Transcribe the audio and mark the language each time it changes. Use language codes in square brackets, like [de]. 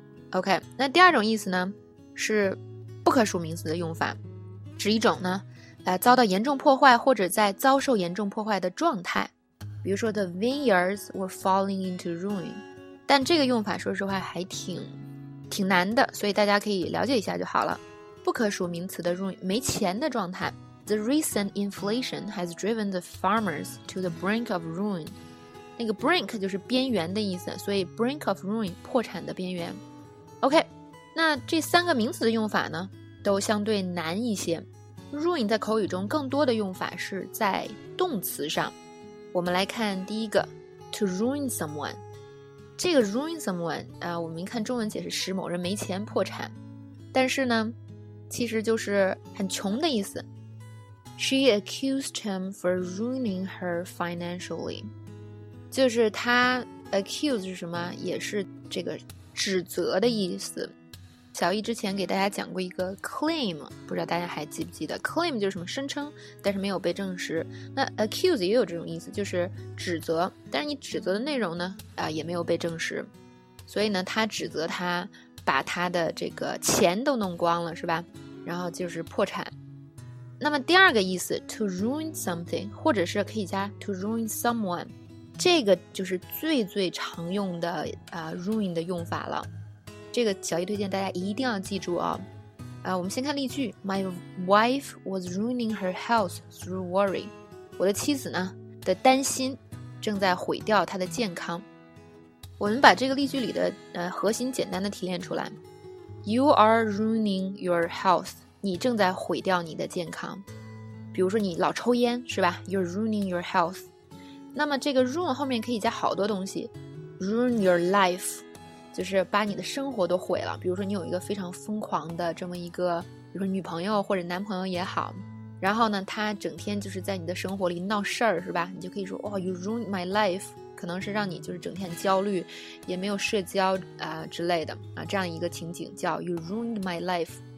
[zh] OK， 那第二种意思呢，是不可数名词的用法，指一种呢遭到严重破坏或者在遭受严重破坏的状态，比如说 [en] the vineyards were falling into ruin。 [zh] 但这个用法说实话还挺难的，所以大家可以了解一下就好了。不可数名词的 ruin， 没钱的状态。 [en] The recent inflation has driven the farmers to the brink of ruin. [zh] 那个 brink 就是边缘的意思，所以 [en] brink of ruin， [zh] 破产的边缘。 OK， 那这三个名词的用法呢，都相对难一些。 ruin 在口语中更多的用法是在动词上。我们来看第一个 [en] to ruin someone。 [zh] 这个 [en] ruin someone、 [zh] 我们一看中文解释，使某人没钱破产，但是呢其实就是很穷的意思。 [en] She accused him for ruining her financially. [zh] 就是他 accuse 是什么，也是这个指责的意思。小易之前给大家讲过一个 claim， 不知道大家还记不记得。 claim 就是什么声称，但是没有被证实。那 accuse 也有这种意思，就是指责，但是你指责的内容呢、也没有被证实。所以呢他指责他把他的这个钱都弄光了是吧，然后就是破产。那么第二个意思 [en] to ruin something， [zh] 或者是可以加 [en] to ruin someone， [zh] 这个就是最最常用的、ruin 的用法了。这个小易推荐大家一定要记住啊、我们先看例句。 [en] My wife was ruining her health through worry. [zh] 我的妻子呢的担心正在毁掉她的健康。我们把这个例句里的、核心简单的提炼出来。 [en] You are ruining your health， [zh] 你正在毁掉你的健康。比如说你老抽烟是吧， [en] You're ruining your health。 [zh] 那么这个 ruin 后面可以加好多东西。 [en] Ruin your life [zh] 就是把你的生活都毁了，比如说你有一个非常疯狂的这么一个，比如说女朋友或者男朋友也好，然后呢他整天就是在你的生活里闹事儿是吧，你就可以说、 [en] oh, You ruin my life， [zh] 可能是让你就是整天焦虑也没有社交、之类的啊，这样一个情景叫 [en] You ruined my life。